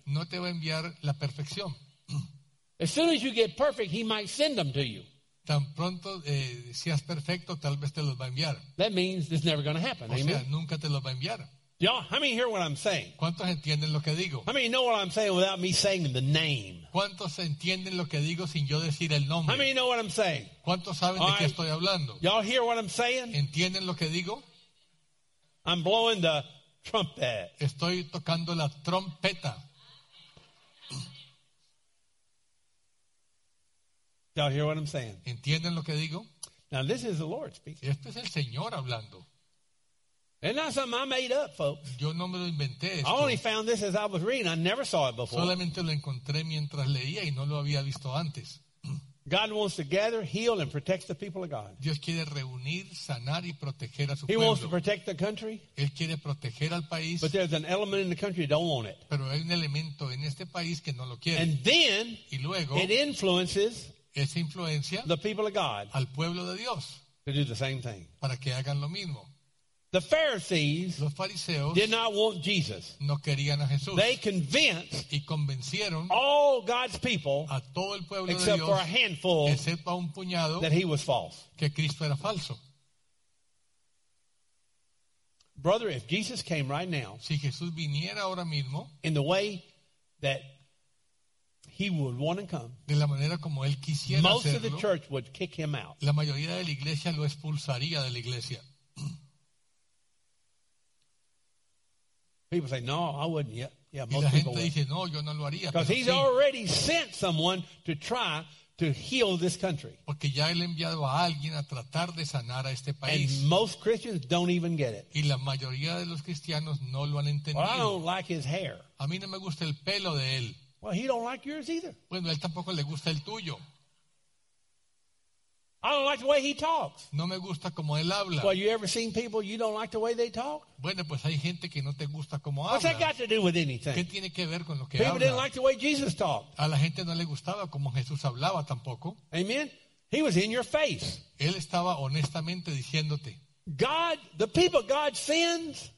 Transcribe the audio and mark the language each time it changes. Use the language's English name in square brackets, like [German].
[Spanish] No te va a enviar la perfección. [English] As soon as you get perfect, he might send them to you. [Spanish] Tan pronto seas perfecto, tal vez te los va a enviar. [English] That means it's never going to happen. [Spanish] O amen. Sea, nunca te los va a enviar. [English] Y'all, how many hear what I'm saying? [Spanish] ¿Cuántos entienden lo que digo? [English] How many know what I'm saying without me saying the name? [Spanish] ¿Cuántos entienden lo que digo sin yo decir el nombre? [English] How many know what I'm saying? [Spanish] ¿Cuántos saben de qué estoy hablando? [English] Y'all hear what I'm saying? [Spanish] ¿Entienden lo que digo? [English] I'm blowing the trumpet. [Spanish] Estoy tocando la trompeta. [English] Y'all hear what I'm saying? [Spanish] ¿Entienden lo que digo? [English] Now this is the Lord speaking. [Spanish] Este es el Señor hablando. [English] It's not something I made up, folks. [Spanish] Yo no me lo inventé esto. [English] I only found this as I was reading. I never saw it before. [Spanish] Solamente lo encontré mientras leía y no lo había visto antes. [English] God wants to gather, heal, and protect the people of God. [Spanish] Dios quiere reunir, sanar y proteger a su [English] pueblo. He wants to protect the country. [Spanish] Él quiere proteger al país. [English] But there's an element in the country that don't want it. [Spanish] Pero hay un elemento en este país que no lo quiere. [English] And then, [Spanish] y luego, [English] it influences [Spanish] esa influencia [English] the people of God [Spanish] al pueblo de Dios [English] to do the same thing. [Spanish] Para que hagan lo mismo. [English] The Pharisees, [Spanish] los fariseos, [English] did not want Jesus. [Spanish] No querían a Jesús. [English] They convinced [Spanish] y convencieron [English] all God's people, [Spanish] a todo el pueblo [English] except [Spanish] de Dios, [English] for a handful, [Spanish] excepto a un puñado, [English] that he was false. [Spanish] Que Cristo era falso. [English] Brother, if Jesus came right now, [Spanish] si Jesús viniera ahora mismo, [English] in the way that he would want to come, [Spanish] de la manera como él quisiera [English] most [Spanish] hacerlo, [English] of the church would kick him out. [Spanish] La mayoría de la iglesia lo expulsaría de la iglesia. [English] People say, no, I wouldn't. Yeah, most people [Spanish] would. Y la gente dice, no, yo no lo haría. [English] Because he's [Spanish] sí. [English] already sent someone to try to heal this country. [Spanish] Porque ya él ha enviado a alguien a tratar de sanar a este país. [English] And most Christians don't even get it. [Spanish] Y la mayoría de los cristianos no lo han entendido. [English] Well, I don't like his hair. [Spanish] A mí no me gusta el pelo de él. [English] Well, he don't like yours either. [Spanish] Bueno, él tampoco le gusta el tuyo. [English] I don't like the way he talks. [Spanish] No me gusta como él habla. [English] Well, you ever seen people you don't like the way they talk? [Spanish] Bueno, pues hay gente que no te gusta como [English] habla. What's that got to do with anything? [Spanish] ¿Qué tiene que ver con lo que [English] people [Spanish] habla? [English] Didn't like the way Jesus talked. [Spanish] A la gente no le gustaba como Jesús hablaba tampoco. [English] Amen. He was in your face. [Spanish] Él estaba honestamente diciéndote. [English] God, the people God sends,